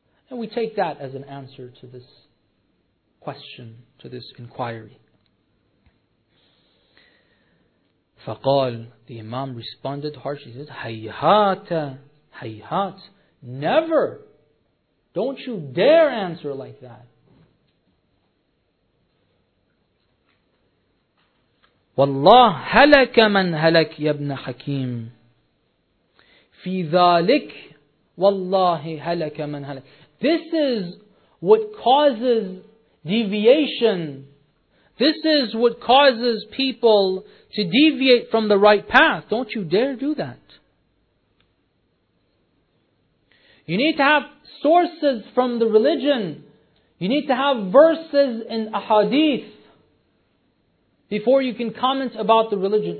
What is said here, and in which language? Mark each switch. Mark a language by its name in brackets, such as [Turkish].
[English] And we take that as an answer to this question, to this inquiry. [Arabic] فَقَالْ. [English] The Imam responded harshly. He says, [Arabic] هَيْهَاتَ هَيْهَاتَ. [English] Never. Don't you dare answer like that. [Arabic] والله هلك من هلك يا ابن حكيم في ذلك والله هلك من هلك. [English] This is what causes deviation. This is what causes people to deviate from the right path. Don't you dare do that. You need to have sources from the religion. You need to have verses in ahadith before you can comment about the religion.